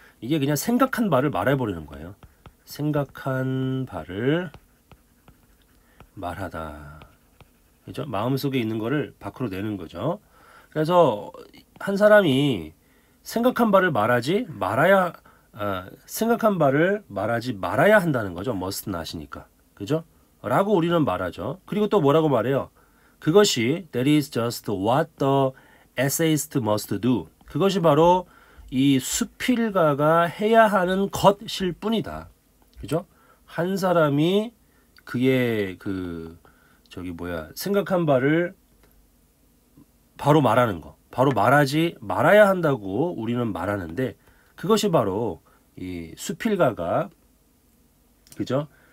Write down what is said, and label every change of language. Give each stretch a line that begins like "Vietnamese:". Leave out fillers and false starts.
Korean: 이게 그냥 생각한 바를 말해버리는 거예요. 생각한 바를 말하다. 그죠? 마음속에 있는 거를 밖으로 내는 거죠. 그래서 한 사람이 생각한 바를 말하지 말아야 생각한 바를 말하지 말아야 한다는 거죠. must not이니까. 그죠? 라고 우리는 말하죠. 그리고 또 뭐라고 말해요? 그것이
English: that is just what the essayist must do.
Korean: 그것이 바로 이 수필가가 해야 하는 것일 뿐이다. 그죠? 한 사람이 그의 그 저기 뭐야 생각한 바를 바로 말하는 거. 바로 말하지 말아야 한다고 우리는 말하는데 그것이 바로 이 수필가가 그죠?